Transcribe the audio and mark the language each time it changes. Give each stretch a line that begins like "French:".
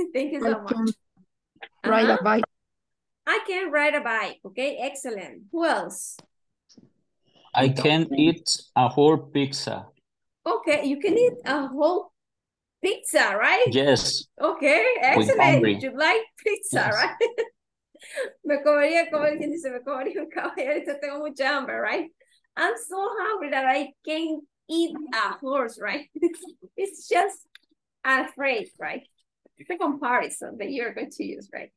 English: Thank you so much. Ride a bike. I can ride a bike, okay? Excellent. Who else? I can eat a whole pizza. Okay, you can eat a whole pizza, right? Yes. Okay, excellent. You like pizza, yes. Right?
Spanish: Me comería, como alguien dice, me comería un caballero, tengo mucha hambre, right?
English: I'm so hungry that I can't eat a horse, right? It's just a phrase, right? It's a comparison that you're going to use, right?